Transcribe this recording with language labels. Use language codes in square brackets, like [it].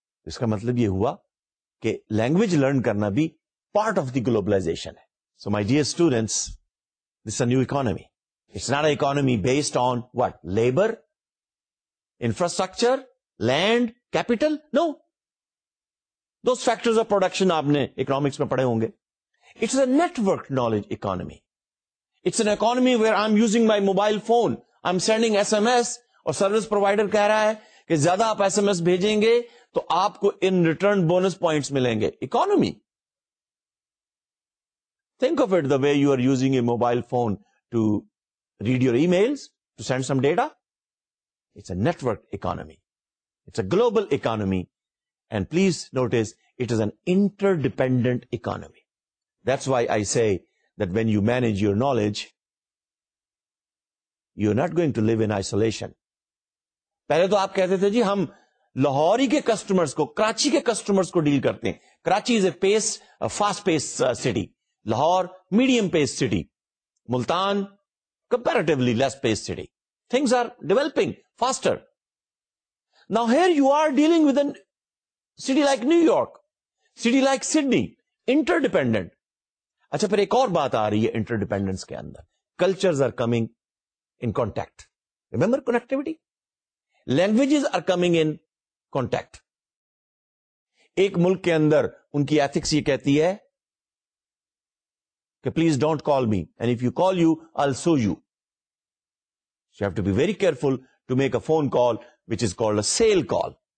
[ur] اس کا مطلب یہ ہوا کہ لینگویج لرن کرنا بھی [en] part of the globalization [ur] ہے. [en] So my dear students, this a new economy. It's not a economy based on what, labour, infrastructure, land, capital. No, those factors of production [ur] آپ نے اکنامکس میں پڑھے ہوں گے. [en] It's a network knowledge economy. It's an economy where I am using my mobile phone, I am sending S M S, [ur] اور service provider کہہ رہا ہے کہ زیادہ آپ ایس ایم ایس بھیجیں گے تو آپ کو ان ریٹرن بونس پوائنٹس ملیں گے. [en] Economy, think of it the way you are using a mobile phone to read your emails, to send some data. It's a network economy, it's a global economy, and please notice it is an interdependent economy. That's why I say that when you manage your knowledge you are not going to live in isolation. [ur] پہلے تو آپ کہتے تھے جی ہم لاہوری کے customers کو, کراچی کے کسٹمرز کو ڈیل کرتے ہیں. [en] Karachi is a pace, fast pace city. Lahore medium pace city, Multan comparatively less pace city. Things are developing faster. Now here you are dealing with an city like New York, city like Sydney, interdependent. [ur] اچھا پھر ایک اور بات آ رہی ہے inter dependence کے اندر, [en] Cultures are coming in contact. Remember connectivity, languages are coming in contact. [ur] ایک ملک کے اندر ان کی ایتھکس یہ کہتی ہے کہ [en] Please don't call me, and if you call you I sue you. You have to be very careful to make a phone call which is called a cell call.